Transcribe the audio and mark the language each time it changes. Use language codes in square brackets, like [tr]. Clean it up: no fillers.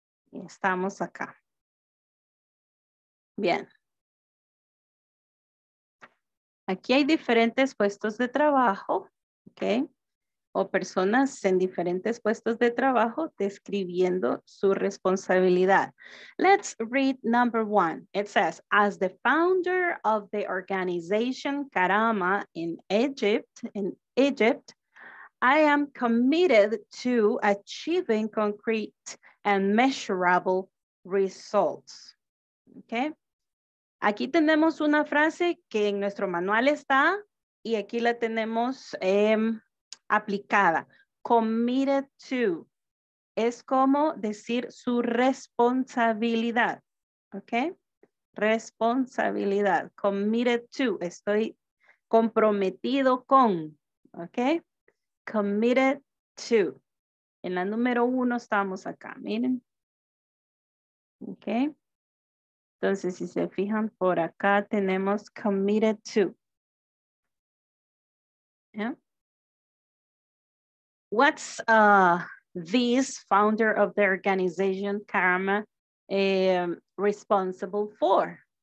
[es] Y estamos acá. Bien. Aquí hay diferentes puestos de trabajo, okay, o personas en diferentes puestos de trabajo describiendo su responsabilidad. [en] Let's read number one. It says, as the founder of the organization Karama in Egypt, I am committed to achieving concrete and measurable results. Okay. [es] Aquí tenemos una frase que en nuestro manual está y aquí la tenemos aplicada, [en] committed to, [es] es como decir su responsabilidad, ¿ok? Responsabilidad, [en] committed to, [es] estoy comprometido con, ¿ok? [en] Committed to, [es] en la número uno estamos acá, miren, ¿ok? Entonces, si se fijan por acá, tenemos [en] committed to, [es] ¿ya? [en] What's this founder of the organization, Karama, responsible for?